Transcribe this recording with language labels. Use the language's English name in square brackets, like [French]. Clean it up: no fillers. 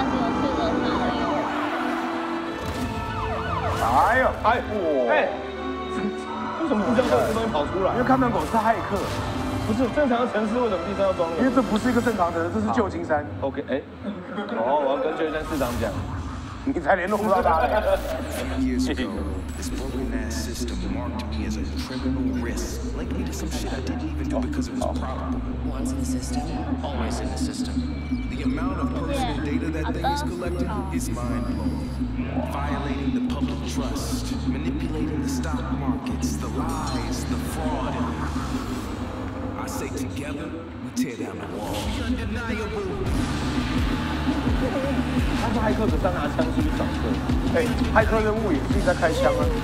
[Chinese] 的是我去的。哎呦，哎呦，哎，为什么不叫这个东西跑出来？因为看门狗是骇客。不是正常的城市，为什么地上要装了？因为这不是一个正常城市，这是旧金山。 OK， 哎，好，我要跟旧金山市长讲，你才联络不到他嘞。 [English] System marked me as a criminal risk, like me to some shit I didn't even do because it was probable. Once in the system, always in the system. The amount of personal data that thing is collecting is mind blowing. Violating the public trust, manipulating the stock markets, the lies, the fraud. I say together, we tear down the wall. Be undeniable. [Chinese] 他是骇客，可是他拿枪出去找客。哎，骇客任务也是在开枪啊，